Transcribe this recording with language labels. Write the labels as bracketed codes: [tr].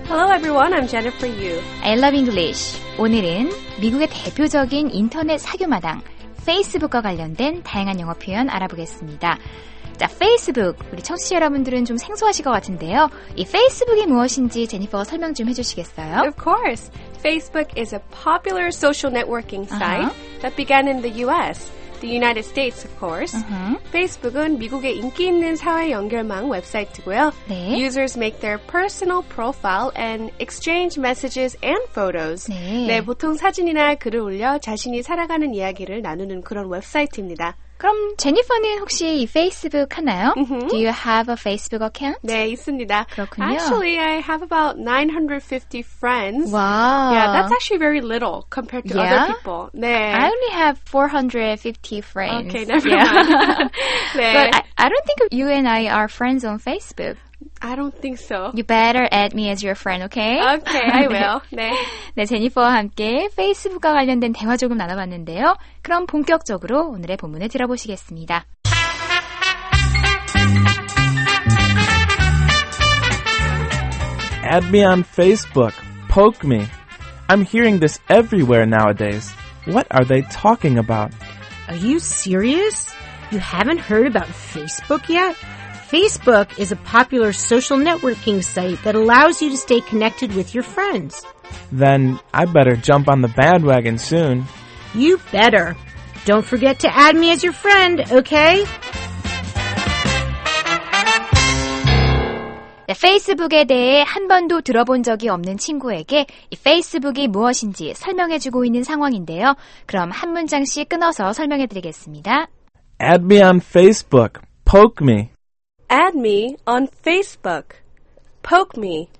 [en] Hello, everyone. I'm Jennifer Yu. I love English. [ko] 오늘은 미국의 대표적인 인터넷 사교마당, 페이스북과 관련된 다양한 영어 표현 알아보겠습니다. 자, 페이스북. 우리 청취자 여러분들은 좀 생소하실 것 같은데요. 이 페이스북이 무엇인지 제니퍼가 설명 좀 해주시겠어요? [en] Of course. Facebook is a popular social networking site that began in the U.S., The United States, of course. [ko] Uh-huh. Facebook은 미국의 인기 있는 사회 연결망 웹사이트고요. 네. [en] Users make their personal profile and exchange messages and photos. [ko] 네. 네, 보통 사진이나 글을 올려 자신이 살아가는 이야기를 나누는 그런 웹사이트입니다. 그럼 제니퍼는 혹시 페이스북 하나요? [en] Mm-hmm. Do you have a Facebook account? [ko] 네, 있습니다. 그렇군요. [en] Actually, I have about 950 friends. Wow. Yeah, that's actually very little compared to other people. 네. I only have 450 friends. Okay, never mind. [ko] 네. [en] But I don't think you and I are friends on Facebook. I don't think so. You better add me as your friend, okay? Okay, I will. 네. [ko] 네, 제니퍼와 함께 페이스북과 관련된 대화 조금 나눠봤는데요. 그럼 본격적으로 오늘의 본문을 들어보시겠습니다. [en] Add me on Facebook. Poke me. I'm hearing this everywhere nowadays. What are they talking about? Are you serious? You haven't heard about Facebook yet? Facebook is a popular social networking site that allows you to stay connected with your friends. Then I better jump on the bandwagon soon. You better. Don't forget to add me as your friend, okay? [ko] 네, 페이스북에 대해 한 번도 들어본 적이 없는 친구에게 이 페이스북이 무엇인지 설명해주고 있는 상황인데요. 그럼 한 문장씩 끊어서 설명해드리겠습니다. [en] Add me on Facebook. Poke me. Add me on Facebook. Poke me.